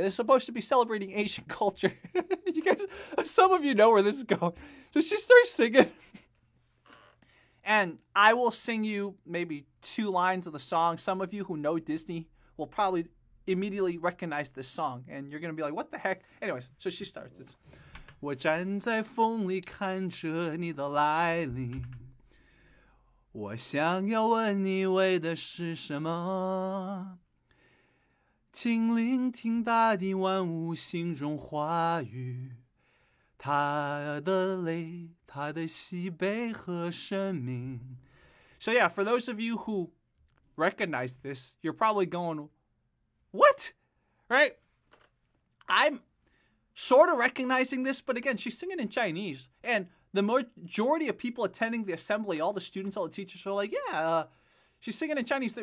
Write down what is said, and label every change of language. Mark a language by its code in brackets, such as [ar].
[en] They're supposed to be celebrating Asian culture. You guys, some of you know where this is going. So she starts singing. And I will sing you maybe two lines of the song. Some of you who know Disney will probably immediately recognize this song. And you're going to be like, what the heck? Anyways, so she starts. It's [zh] 我站在风里看着你的来临我想要问你为的是什么，请聆听大地万物心中话语，他的泪，他的喜悲和生命。 [en] So yeah, for those of you who recognize this, you're probably going, what? Right? I'm sort of recognizing this, but again, she's singing in Chinese. And the majority of people attending the assembly, all the students, all the teachers are like, yeah, she's singing in Chinese.